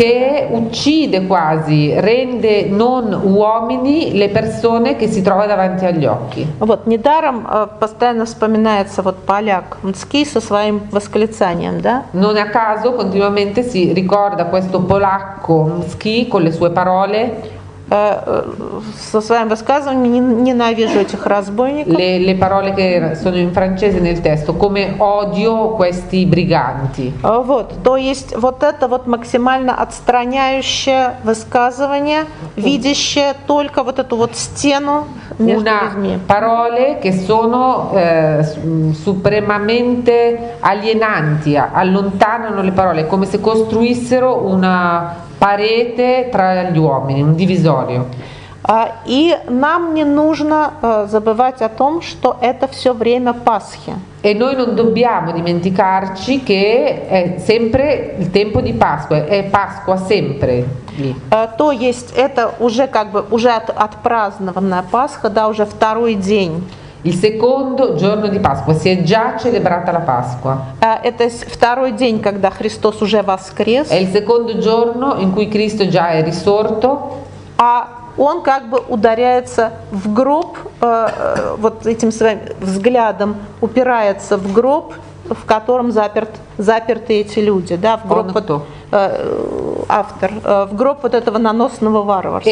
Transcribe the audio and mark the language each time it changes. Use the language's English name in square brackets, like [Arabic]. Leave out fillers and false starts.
[Italian] Che uccide quasi, rende non uomini le persone che si trova davanti agli occhi. [Russian] Вот недаром постоянно вспоминается вот поляк Мцкий со своим восклицанием, да? [Italian] Non a caso continuamente si ricorda questo polacco Мцкий con le sue parole. [Russian] Со своим высказыванием ненавижу этих разбойников. [Italian] Le parole che sono in francese nel testo, come odio questi briganti. [Russian] Вот, то есть вот это вот максимально отстраняющее высказывание, видящее только вот эту вот стену между [Italian] Una [Russian] людьми. [Italian] Parole che sono supremamente alienanti, allontanano le parole, come se costruissero una parete tra gli uomini, un divisorio. [Russian] И нам не нужно забывать о том, что это все время Пасхи. [Italian] E noi non dobbiamo dimenticarci che è sempre il tempo di Pasqua, è Pasqua sempre lì. [Russian] То есть это уже как бы уже отпразднованная Пасха, да, уже второй день. [Italian] Il secondo giorno di Pasqua, si è già celebrata la Pasqua. [Russian] Это второй день, когда Христос уже воскрес. [Italian] È il secondo giorno in cui Cristo già è risorto. [Russian] А он как бы ударяется в гроб, вот этим своим взглядом упирается в гроб, в котором заперты эти люди, да, в гроб вот, автор, в гроб вот этого наносного варварства.